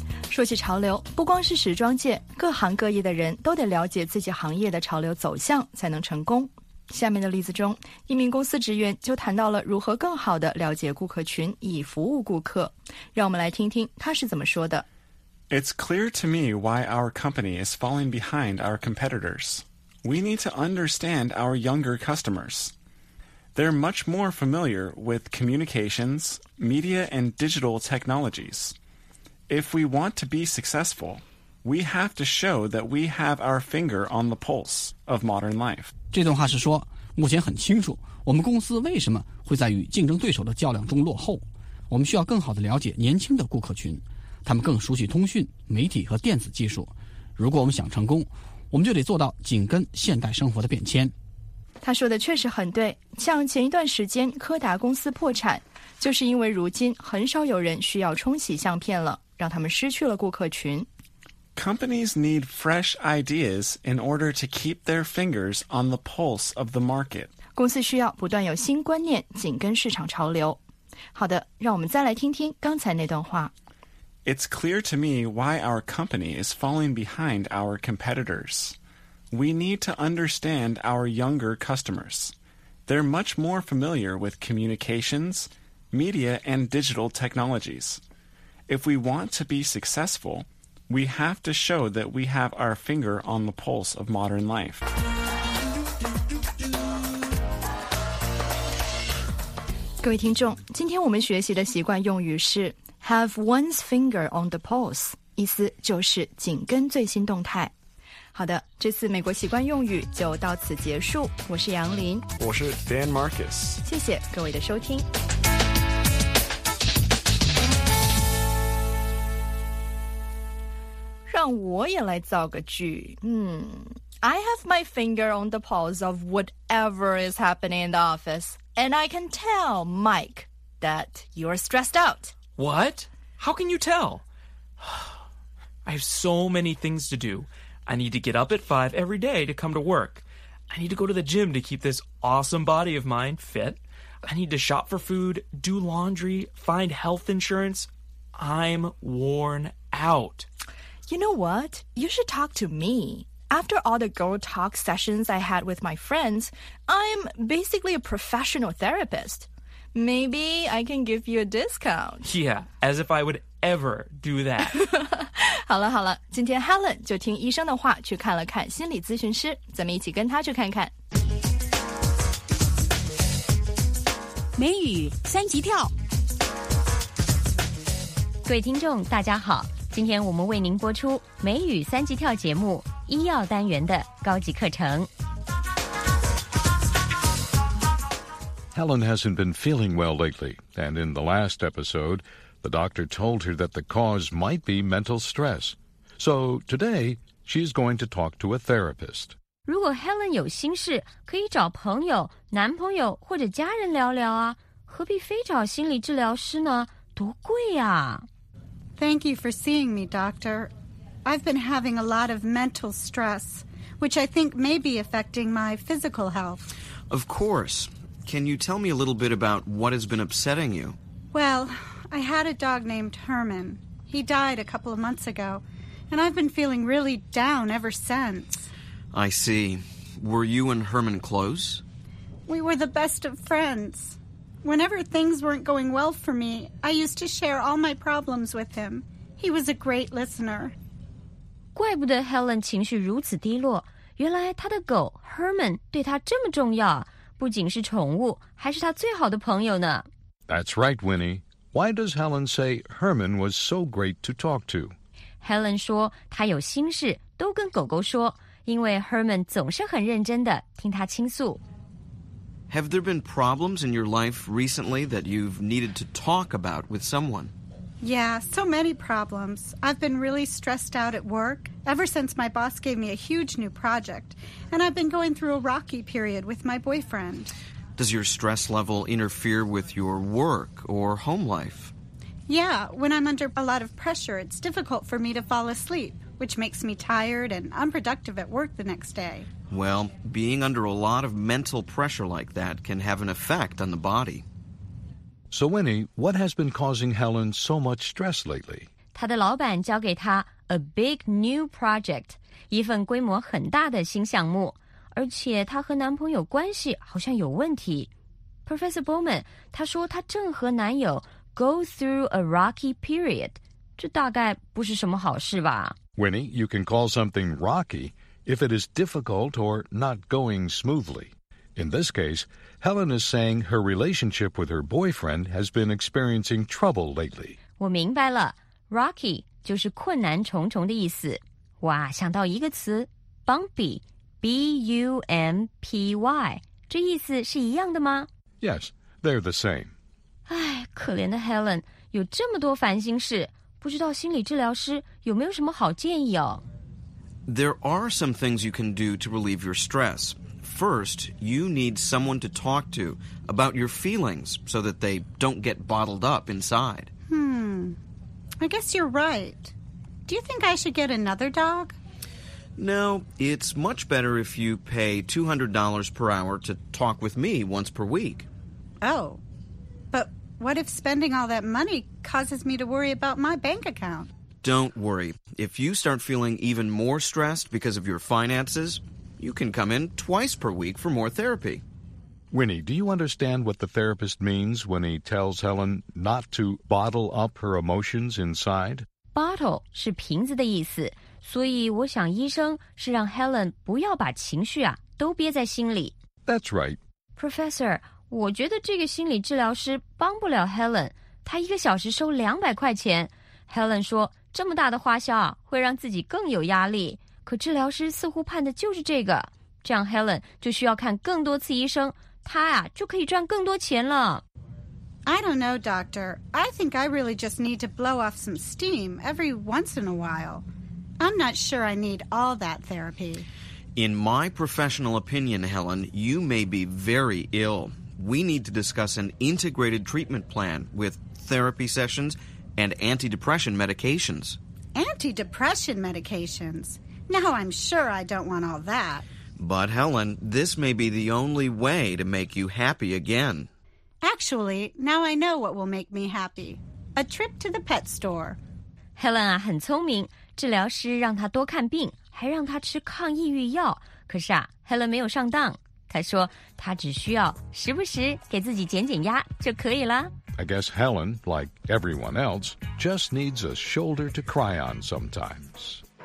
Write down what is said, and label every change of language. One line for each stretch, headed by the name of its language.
Chinese: 说起潮流，不光是时装界，各行各业的人都得了解自己行业的潮流走向才能成功。下面的例子中，一名公司职员就谈到了如何更好地了解顾客群以服务顾客。让我们来听听他是怎么说的。
English: It's clear to me why our company is falling behind our competitors. We need to understand our younger customers. They're much more familiar with communications, media, and digital technologies. If we want to be successful, we have to show that we have our finger on the pulse of modern life.
Chinese: 这段话是说，目前很清楚，我们公司为什么会在与竞争对手的较量中落后。我们需要更好地了解年轻的顾客群。他们更熟悉通讯、媒体和电子技术。如果我们想成功，我们就得做到紧跟现代生活的变迁。他说的确实很对，像前一段时间柯达公司破产，就是因为如今很少有人需要冲洗相片了，让他们失去了顾客群。
English: Companies need fresh ideas in order to keep their fingers on the pulse of the market.
Chinese: 公司需要不断有新观念，紧跟市场潮流。好的，让我们再来听听刚才那段话。
English: It's clear to me why our company is falling behind our competitors. We need to understand our younger customers. They're much more familiar with communications, media, and digital technologies. If we want to be successful, we have to show that we have our finger on the pulse of modern life.
Chinese: 各位听众，今天我们学习的习惯用语是
English: Have one's finger on the pulse,
Chinese: 意思就是紧跟最新动态。好的，这次美国习惯用语就到此结束。我是杨林。我是 Dan Marcus。谢谢各位的收听。让我也来造个句。
English: I have my finger on the pulse of whatever is happening in the office, and I can tell, Mike, that you're stressed out. What? How can you tell? I have so many things to do. I need to get up at 5 every day to come to work. I need to go to the gym to keep this awesome body of mine fit. I need to shop for food, do laundry, find health insurance. I'm worn out. You know what? You should talk to me. After all the girl talk sessions I had with my friends, I'm basically a professional therapist. Maybe I can give you a discount. Yeah, as if I would ever do that.
Chinese: 好了好了，今天 Helen 就听医生的话去看了看心理咨询师，咱们一起跟他去看看。美语三级跳。各位听众，大家好，今天我们为您播出美语三级跳节目医药单元的高级课程。
English: Helen hasn't been feeling well lately, and in the last episode, the doctor told her that the cause might be mental stress. So today, she is going to talk to a therapist.
Chinese: 如果 Helen 有心事，可以找朋友、男朋友或者家人聊聊啊，何必非找心理治疗师呢？多贵啊！
English: Thank you for seeing me, doctor. I've been having a lot of mental stress, which I think may be affecting my physical health. Of course. Can you tell me a little bit about what has been upsetting you? Well, I had a dog named Herman. He died a couple of months ago, and I've been feeling really down ever since. I see. Were you and Herman close? We were the best of friends. Whenever things weren't going well for me, I used to share all my problems with him. He was a great listener.
Chinese: 怪不得 Helen 情绪如此低落，原来她的狗 Herman 对她这么重要，不仅是宠物，还是她最好的朋友呢。
English: That's right, Winnie. Why does Helen say Herman was so great to talk to?
Chinese: Helen 说她有心事都跟狗狗说，因为 Herman 总是很认真地听她倾诉。
English: Have there been problems in your life recently that you've needed to talk about with someone? Yeah, so many problems. I've been really stressed out at work ever since my boss gave me a huge new project, and I've been going through a rocky period with my boyfriend. Does your stress level interfere with your work or home life? Yeah, when I'm under a lot of pressure, it's difficult for me to fall asleep. Which makes me tired and unproductive at work the next day. Well, being under a lot of mental pressure like that can have an effect on the body. So Winnie, what has been causing Helen so much stress lately?
Chinese: 她的老板交给她
English: a big new project,
Chinese: 一份规模很大的新项目，而且她和男朋友关系好像有问题。 Professor Bowman, 她说她正和男友
English: go through a rocky period,
Chinese: 这大概不是什么好事吧。
English: Winnie, you can call something rocky if it is difficult or not going smoothly. In this case, Helen is saying her relationship with her boyfriend has been experiencing trouble lately.
Chinese: 我明白了 ,rocky 就是困难重重的意思。哇，想到一个词 ,bumpy, B-U-M-P-Y, 这意思是一样的吗
English: ?Yes, they're the same.
Chinese: 唉，可怜的 Helen, 有这么多烦心事。不知道心理治疗师有没有什么好建议哦。
English: There are some things you can do to relieve your stress. First, you need someone to talk to about your feelings so that they don't get bottled up inside. I guess you're right. Do you think I should get another dog? No, it's much better if you pay $200 per hour to talk with me once per week. Oh. What if spending all that money causes me to worry about my bank account? Don't worry. If you start feeling even more stressed because of your finances, you can come in twice per week for more therapy. Winnie, do you understand what the therapist means when he tells Helen not to bottle up her emotions inside?
Chinese: Bottle 是瓶子的意思，所以我想医生是让 Helen 不要把情绪啊都憋在心里。
English: That's right.
Chinese: Professor,我觉得这个心理治疗师帮不了 Helen, 她一个小时收200块钱。 Helen 说这么大的花销啊会让自己更有压力。可治疗师似乎盼的就是这个。这样 Helen 就需要看更多次医生，她啊就可以赚更多钱了。
English: I don't know, doctor. I think I really just need to blow off some steam every once in a while. I'm not sure I need all that therapy. In my professional opinion, Helen, you may be very ill. We need to discuss an integrated treatment plan with therapy sessions and anti-depression medications. Anti-depression medications? Now I'm sure I don't want all that. But Helen, this may be the only way to make you happy again. Actually, now I know what will make me happy. A trip to the pet store.
Chinese: Helen 啊，很聪明，治疗师让她多看病，还让她吃抗抑郁药。可是啊 ，Helen 没有上当。他说他只需要时不时给自己减减压就可以了。
English: I guess Helen, like everyone else, just needs a shoulder to cry on sometimes.